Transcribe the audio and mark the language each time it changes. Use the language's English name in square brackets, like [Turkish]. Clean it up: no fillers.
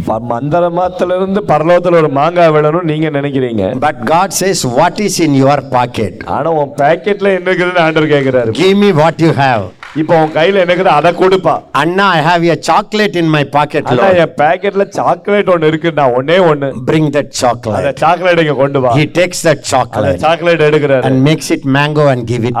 [Tamil] மந்திரமாத்திலிருந்து பரலோகத்துல ஒரு மாங்காய் விழணும் நீங்க நினைக்கிறீங்க. [English] But God says what is in your pocket? [Tamil] ஆனா உன் பாக்கெட்ல என்ன இருக்குன்னு ஆண்டவர் கேக்குறாரு. [English] Give me what you have. [Tamil] இப்போ உன் கையில எனக்கு அதை கொடுப்பா. [English] அண்ணா I have a chocolate in my pocket. [Tamil] அண்ணா என் பாக்கெட்ல சாக்லேட் ஒன்று இருக்குண்ணா ஒன்னே ஒண்ணு. [English] Bring that chocolate. [Tamil] அந்த சாக்லேட் இங்க கொண்டு வா. [English] He takes that chocolate. [Tamil] அந்த சாக்லேட் எடுக்கிறார். [English] And makes it mango and give it.